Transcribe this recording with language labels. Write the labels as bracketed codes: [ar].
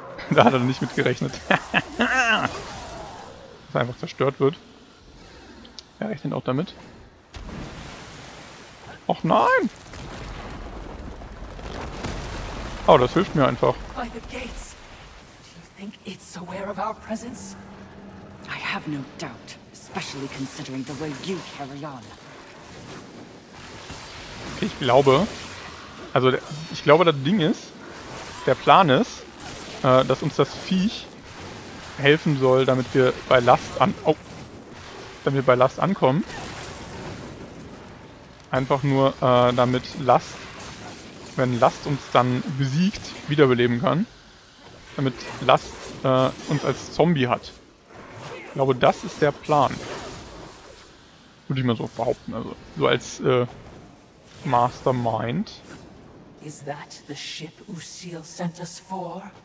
[de] Da hat er nicht mit gerechnet. Dass er einfach zerstört wird. Er rechnet auch damit. Och nein! Oh, das hilft mir einfach. [en] By the gates. Do you think it's aware of our presence? I have no doubt, especially considering the way you carry on. [de] Okay, ich glaube. Also ich glaube, das Ding ist. Der Plan ist, dass uns das Viech helfen soll, damit wir bei Last an. Oh. Damit wir bei Last ankommen. Einfach nur, damit Last, wenn Last uns dann besiegt, wiederbeleben kann. Damit Last uns als Zombie hat. Ich glaube, das ist der Plan. Würde ich mal so behaupten. Also, so als Mastermind. [en] Is that the ship Usile sent us for?